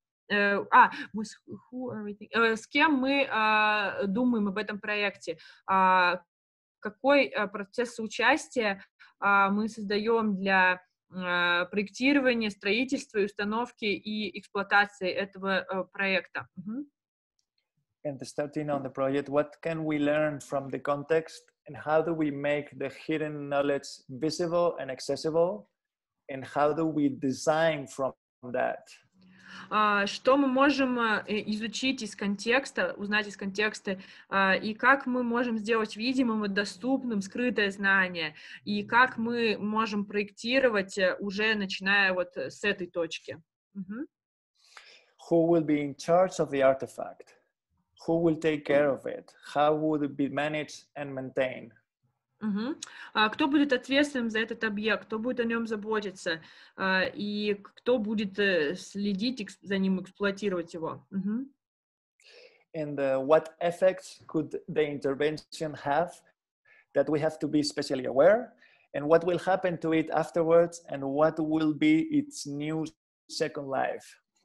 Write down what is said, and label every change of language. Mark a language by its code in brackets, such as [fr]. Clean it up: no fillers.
[ru] С кем мы думаем об этом проекте? Какой процесс участия мы создаем для проектирования, строительства, установки и эксплуатации этого проекта? [en] And starting on the project, what can we learn from the context, and how do we make the hidden knowledge visible and accessible, and how do we design from that? [ru] Что мы можем изучить из контекста, узнать из контекста, и как мы можем сделать видимым и доступным скрытое знание, и как мы можем проектировать уже начиная вот с этой точки? [en] Who will be in charge of the artifact? Who will take care of it? How would it be managed and maintained? [ru] Кто будет ответственным за этот объект? Кто будет о нем заботиться? И кто будет следить за ним, эксплуатировать его? [en] And what effects could the intervention have that we have to be specially aware? And what will happen to it afterwards? And what will be its new second life?